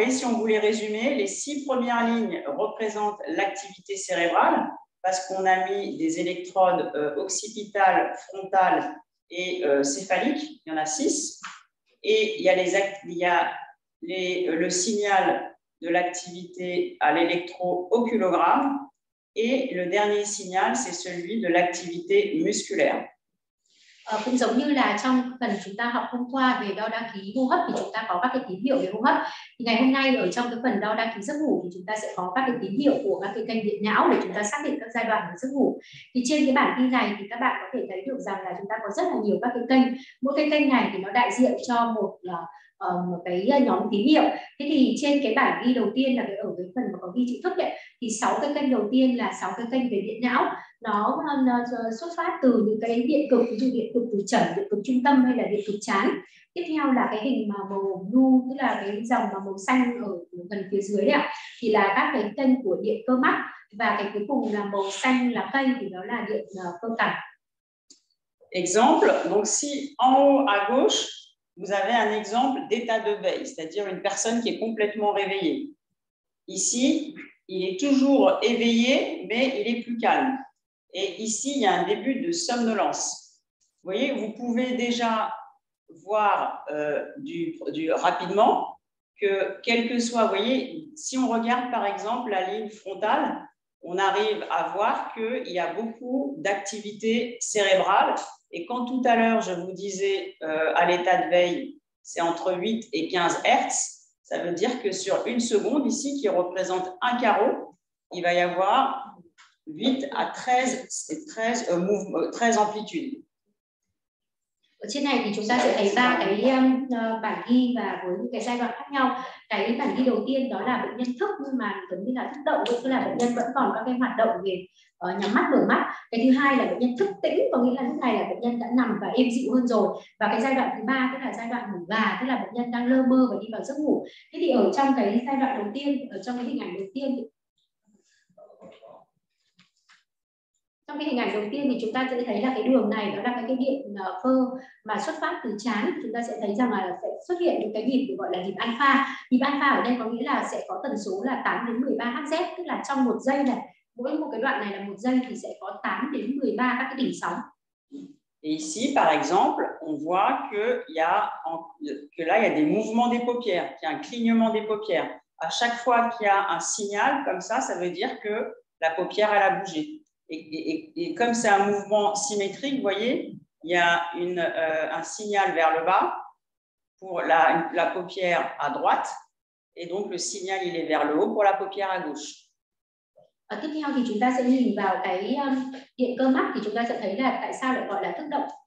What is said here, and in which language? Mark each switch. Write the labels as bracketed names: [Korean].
[French] Vous voyez, si on voulait résumer, les 6 premières lignes représentent l'activité cérébrale parce qu'on a mis des électrodes occipitales, frontales et céphaliques. Il y en a 6. Et il y a le signal de l'activité à l'électro-oculogramme et le dernier signal c'est celui de l'activité musculaire. [Vietnamese] Cũng giống như là trong phần chúng ta học hôm qua về đo đăng ký hô hấp thì chúng ta có các cái tín hiệu về hô hấp thì ngày hôm nay ở trong cái phần đo đăng ký giấc ngủ thì chúng ta sẽ có các cái tín hiệu của các cái kênh điện não để chúng ta xác định các giai đoạn của giấc ngủ. Thì trên cái bản ghi này thì các bạn có thể thấy được rằng là chúng ta có rất là nhiều các cái kênh, mỗi cái kênh này thì nó đại diện cho một cái nhóm tín hiệu. Thế thì trên cái bản ghi đầu tiên là ở cái phần mà có ghi chữ thức ấy, thì 6 cái kênh đầu tiên là 6 cái kênh về điện não. Nó xuất phát từ những cái điện cực, ví dụ điện cực từ chẩn, điện cực trung tâm hay là điện cực trán. Tiếp theo là cái hình mà màu nu, tức là cái dòng mà màu xanh ở gần phía dưới ấy, thì là các cái kênh của điện cơ mắt. Và cái cuối cùng là màu xanh là cây thì đó là điện cơ cảm. [French] exemple. Donc, si en haut à gauche, vous avez un exemple d'état de veille, c'est-à-dire une personne qui est complètement réveillée. Ici, il est toujours éveillé, mais il est plus calme. Et ici, il y a un début de somnolence. Vous voyez, vous pouvez déjà voir rapidement que, quel que soit, vous voyez, si on regarde par exemple la ligne frontale, on arrive à voir qu'il y a beaucoup d'activité cérébrale. Et quand tout à l'heure, je vous disais à l'état de veille, c'est entre 8 et 15 Hertz, ça veut dire que sur une seconde ici, qui représente un carreau, il va y avoir 8 à 13, c'est 13, 13 amplitudes. [Vietnamese] Ở trên này thì chúng ta sẽ thấy ba cái bản ghi và với những cái giai đoạn khác nhau. Cái bản ghi đầu tiên đó là bệnh nhân thức nhưng mà giống như là thức động, tức là bệnh nhân vẫn còn các cái hoạt động về nhắm mắt, mở mắt. Cái thứ hai là bệnh nhân thức tĩnh, có nghĩa là lúc này là bệnh nhân đã nằm và êm dịu hơn rồi. Và cái giai đoạn thứ ba tức là giai đoạn ngủ gà, tức là bệnh nhân đang lơ mơ và đi vào giấc ngủ. Thế thì ở trong cái giai đoạn đầu tiên, ở trong cái hình ảnh đầu tiên thì... Trong cái hình ảnh đầu tiên thì chúng ta sẽ thấy là cái đường này đó là cái điện cơ mà xuất phát từ trán. Chúng ta sẽ thấy rằng là sẽ xuất hiện những cái nhịp gọi là nhịp alpha. Nhịp alpha ở đây có nghĩa là sẽ có tần số là 8 đến 13 Hz, tức là trong một giây này, mỗi một cái đoạn này là một giây thì sẽ có 8 đến 13 các cái đỉnh sóng. [French] Et ici, par exemple, on voit que, là, il y a des mouvements des paupières, qu'il y a un clignement des paupières. À chaque fois qu'il y a un signal comme ça, ça veut dire que la paupière, elle a bougé. Et comme c'est un mouvement symétrique, vous voyez, il y a un signal vers le bas pour la paupière à droite, et donc le signal il est vers le haut pour la paupière à gauche. [Vietnamese] Tiếp theo thì chúng ta sẽ nhìn vào cái điện cơ mắt thì chúng ta sẽ thấy là tại sao lại gọi là thức động.